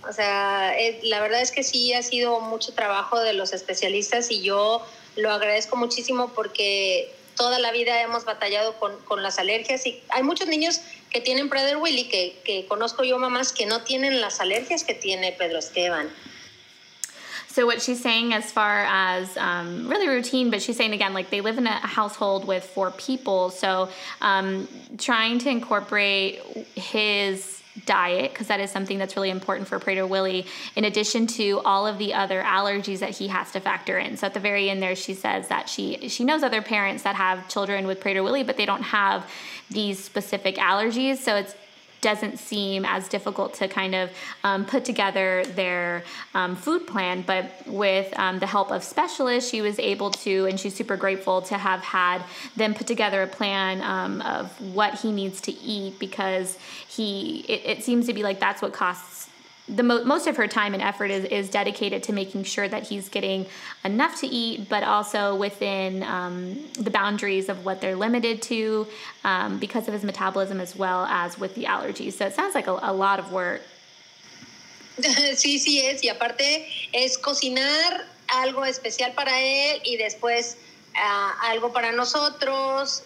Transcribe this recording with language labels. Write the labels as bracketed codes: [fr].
[es] O sea, la verdad es que sí ha sido mucho trabajo de los especialistas y yo lo agradezco muchísimo porque toda la vida hemos batallado con las alergias y hay muchos niños que tienen Prader Willi que conozco yo, mamás, que no tienen las alergias que tiene Pedro Esteban. [en] So what she's saying as far as really routine, but she's saying again, like they live in a household with four people. So trying to incorporate his diet, because that is something that's really important for Prader Willi, in addition to all of the other allergies that he has to factor in. So at the very end there, she says that she knows other parents that have children with Prader Willi, but they don't have these specific allergies. So it's doesn't seem as difficult to kind of put together their food plan, but with the help of specialists, she was able to, and she's super grateful to have had them put together a plan of what he needs to eat, because it seems to be like that's what costs the most of her time and effort is dedicated to making sure that he's getting enough to eat, but also within the boundaries of what they're limited to because of his metabolism as well as with the allergies. So it sounds like a lot of work. [es] Sí, sí es. Y aparte es cocinar algo especial para él y después algo para nosotros.